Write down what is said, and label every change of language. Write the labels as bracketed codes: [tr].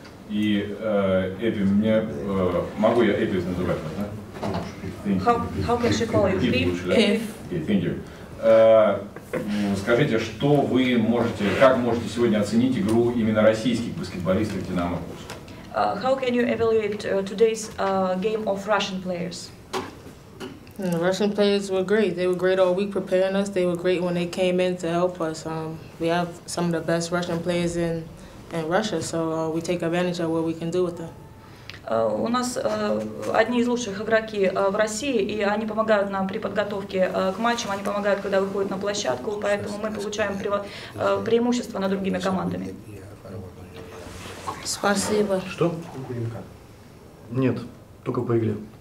[ru] И Эбби, мне могу я Эбби называть, да? [en] How can she call you? [ru] Эбби лучше, да? Эбби. [en] Okay, thank you. [ru] Скажите, что вы можете, как можете сегодня оценить игру именно российских баскетболистов Динамо Курск? [en] How can you evaluate today's game of Russian players? The Russian players were great. They were great all week preparing us. They were great when they came in to help us. We have some of the best Russian players in Russia, so we take advantage of what we can do with them. [ru] У нас одни из лучших игроки в России, и они помогают нам при подготовке к матчам, они помогают, когда выходят на площадку, поэтому мы получаем преимущество над другими командами. Спасибо. Что? Нет, только по игре.